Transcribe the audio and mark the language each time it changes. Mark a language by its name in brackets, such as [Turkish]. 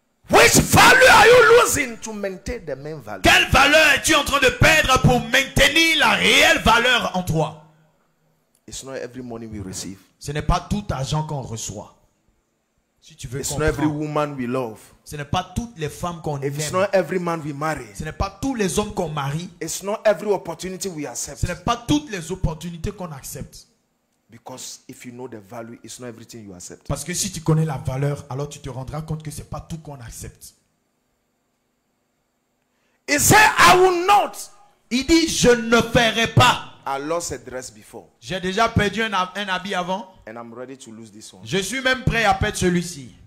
[English] Which value are you losing to maintain the main value? [French] Quelle valeur es-tu en train de perdre pour maintenir la réelle valeur en toi? [English] It's not every money we receive. [French] Ce n'est pas tout argent qu'on reçoit. Si tu veux [English] it's not every woman we love. [French] Ce n'est pas toutes les femmes qu'on [English] if [French] aime. [English] It's not every man we marry. [French] Ce n'est pas tous les hommes qu'on marie. [English] It's not every opportunity we accept. [French] Ce n'est pas toutes les opportunités qu'on accepte. [English] Because if you know the value, it's not everything you accept. [French] Parce que si tu connais la valeur, alors tu te rendras compte que ce n'est pas tout qu'on accepte. [English] He said, I will not. [French] Il dit, je ne ferai pas. [English] I lost a dress before. [French] J'ai déjà perdu un habit avant. [English] And I'm ready to lose this one. [French] Je suis même prêt à perdre celui-ci.